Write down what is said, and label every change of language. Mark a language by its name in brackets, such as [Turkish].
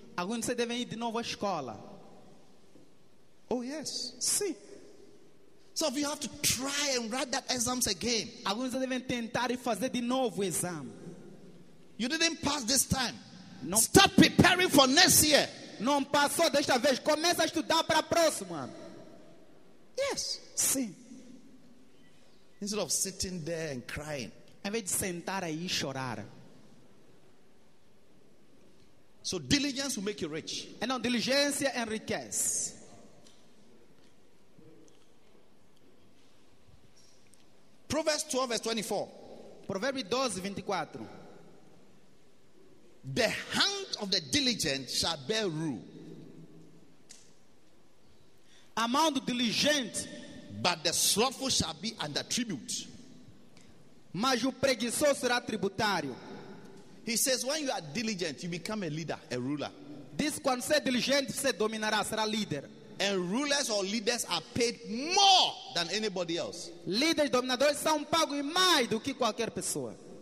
[Portuguese] Alguns você devem ir de novo à escola. [English] Oh yes. [Portuguese] Sim. [English] Some of you have to try and write that exams again. [Portuguese] Alguns devem tentar e fazer de novo o exame. [English] You didn't pass this time. [Portuguese] Não. [English] Start preparing for next year. [Portuguese] Não passou desta vez. Começa a estudar para a próxima. [English] Yes. [Portuguese] Sim. [English] Instead of sitting there and crying. [Portuguese] Em vez de sentar aí e chorar. [English] So diligence will make you rich. [Portuguese] E não, diligência enriquece. [English] Proverbs 12, verse 24. [Portuguese] Provérbios 12, 24. [English] The hand of the diligent shall bear rule. [Portuguese] A mão do diligente, [English] but the slothful shall be under tribute. [Portuguese] Mas o preguiçoso será tributário. [English] He says, when you are diligent, you become a leader, a ruler. [Portuguese] Diz, quando você é diligente, você dominará, será líder. [English] And rulers or leaders are paid more than anybody else. [Portuguese] Líderes, dominadores são pagos mais do que qualquer pessoa.